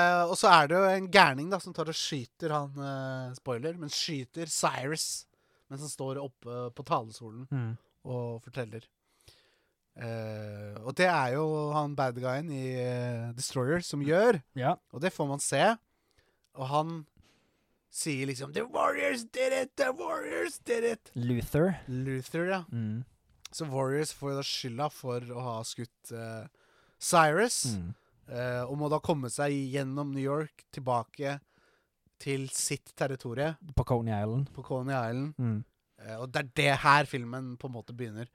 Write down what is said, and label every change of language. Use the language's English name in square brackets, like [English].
[Norwegian] Og så er det jo en gærning da, som tar og skyter han, spoiler, men skyter Cyrus, mens han står oppe på talesolen og forteller. Og det er jo han bad guyen i Destroyer som gjør. Ja. Og det får man se. Og han... Sier liksom, [English] the Warriors did it, the Warriors did it. [Norwegian] Luther. Luther, ja. Mm. Så Warriors får da skylda for å ha skutt Cyrus. Mm. Og må da komme seg gjennom New York tilbake til sitt territorie. På Coney Island. På Coney Island. Mm. Og det det her filmen på en måte begynner.